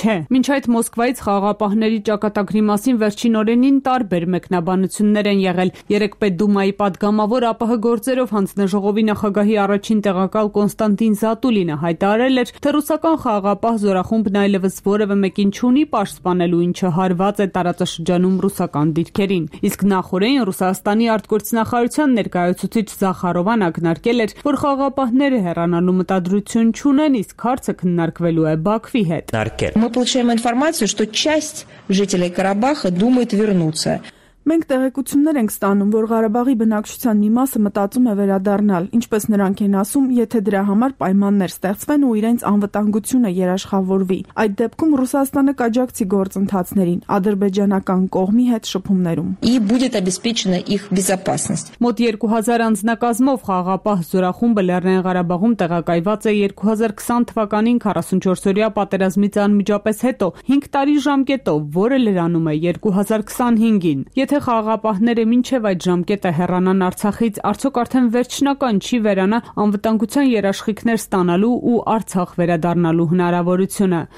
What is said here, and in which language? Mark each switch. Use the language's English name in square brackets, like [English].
[Armenian] չէ։ Մինչ այդ Մոսկվայից խաղաղապահների ճակատագրի մասին վերջին օրերին տարբեր մեկնաբանություններ են եղել։ Երեկպե Դումայի պատգամավոր ԱՊՀ գործերով հանձնաժողովի նախագահի առաջին տեղակալ Կոնստանտին Զատուլինը հայտարարել էր, թե ռուսական խաղաղապահ զորախումբն այլևս որևէ մեկին չունի պաշտպանելու, ինչը հարված է տարածաշրջանում ռուսական դիրքերին։ Իսկ նախորդին Ռուսաստանի արտգործնախարարության ներկայացուցիչ Զախարովան ակնարկել էր, որ խաղաղապահները հեռանալու մտադրություն չունեն, իսկ հարցը քննարկվելու է Բաքվի հետ։ [Russian] Мы получаем информацию, что часть жителей Карабаха думает вернуться. [Armenian] Մենք տեղեկություններ ենք ստանում, որ Ղարաբաղի բնակչության մի մասը մտածում է վերադառնալ, ինչպես նրանք են ասում, եթե դրա համար պայմաններ ստեղծվեն ու իրենց անվտանգությունը երաշխավորվի։ Այդ դեպքում Ռուսաստանը կաջակցի գործընթացներին ադրբեջանական կողմի հետ շփումներում։ [Russian] И будет обеспечена их безопасность. [Armenian] Մոտ 2000 անձնակազմով խաղապահ զորախումբը Լեռնային Ղարաբաղում տեղակայված է 2020 թվականին 44-օրյա պատերազմից անմիջապես հետո, 5 տարի ժամկետով, որը լրանում է 2025-ին։ Եթե խաղաղապահները մինչև այդ ժամկետը հեռանան Արցախից, արդյոք արդեն վերջնական չի վերանա անվտանգության երաշխիքներ ստանալու ու Արցախ վերադառնալու հնարավորությունը։